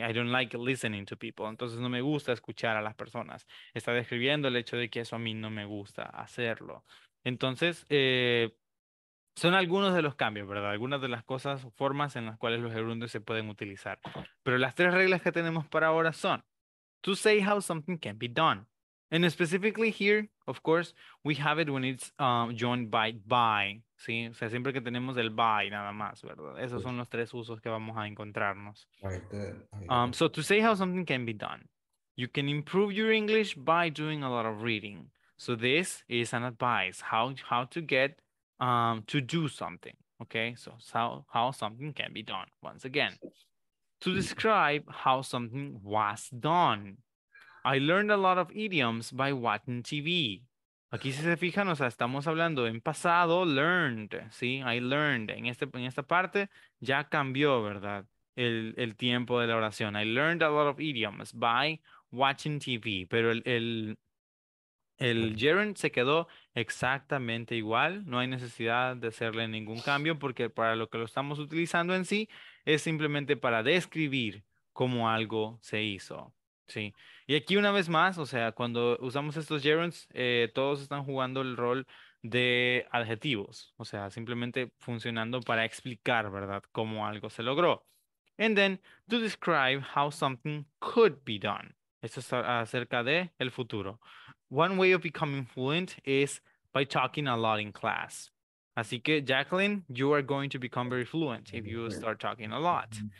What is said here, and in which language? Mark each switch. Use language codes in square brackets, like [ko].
[en] I don't like listening to people. [es] Entonces, no me gusta escuchar a las personas. Está describiendo el hecho de que eso a mí no me gusta hacerlo. Entonces, son algunos de los cambios, ¿verdad? Algunas de las cosas, formas en las cuales los gerundios se pueden utilizar. Pero las tres reglas que tenemos para ahora son [en] to say how something can be done. And specifically here, of course, we have it when it's joined by, ¿sí? [es] O sea, siempre que tenemos el by nada más, ¿verdad? Esos son los tres usos que vamos a encontrarnos. [en] So to say how something can be done, you can improve your English by doing a lot of reading. So this is an advice, how to get to do something, okay? So how something can be done, once again. To describe how something was done. I learned a lot of idioms by watching TV. [es] Aquí, si se fijan, o sea, estamos hablando en pasado, learned, ¿sí? [en] I learned. [es] En esta parte ya cambió, ¿verdad? El tiempo de la oración. [en] I learned a lot of idioms by watching TV. [es] Pero el gerund se quedó exactamente igual. No hay necesidad de hacerle ningún cambio porque para lo que lo estamos utilizando en sí es simplemente para describir cómo algo se hizo. Sí, y aquí una vez más, o sea, cuando usamos estos gerunds, todos están jugando el rol de adjetivos, o sea, simplemente funcionando para explicar, ¿verdad?, cómo algo se logró. [en] And then, to describe how something could be done. [es] Esto es acerca de el futuro. [en] One way of becoming fluent is by talking a lot in class. [es] Así que, [en] Jacqueline, you are going to become very fluent if you start talking a lot.